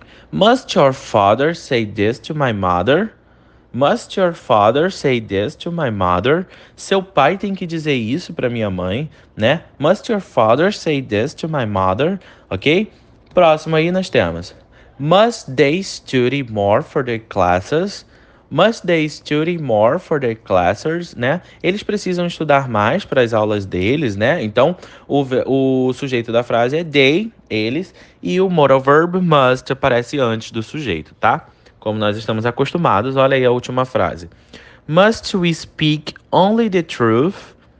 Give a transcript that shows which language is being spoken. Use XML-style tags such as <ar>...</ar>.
<en>Must your father say this to my mother? Must your father say this to my mother?</en> <pt>Seu pai tem que dizer isso para minha mãe, né?</pt> <en>Must your father say this to my mother, ok?</en> <pt>Próximo aí nós temos.</pt> <en>Must they study more for their classes? Must they study more for their classes, né?</en> <pt>Eles precisam estudar mais para as aulas deles, né? Então, o sujeito da frase é they, eles, e o modal verb must aparece antes do sujeito, tá? Como nós estamos acostumados, olha aí a última frase.</pt> <en>Must we speak only the truth?</en>